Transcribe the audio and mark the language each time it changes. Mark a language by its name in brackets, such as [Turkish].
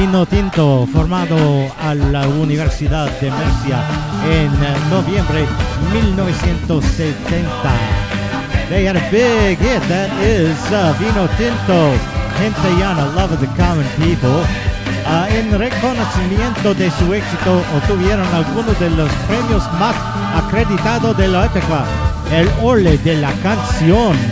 [Spanish] Tinto, formado a la Universidad de Murcia en noviembre 1970. [English] They had a big hit, that is Vino Tinto, Gente Llana, Love of the Common People. [Spanish] En reconocimiento de su éxito, obtuvieron algunos de los premios más acreditados de la época, el Ole de la Canción.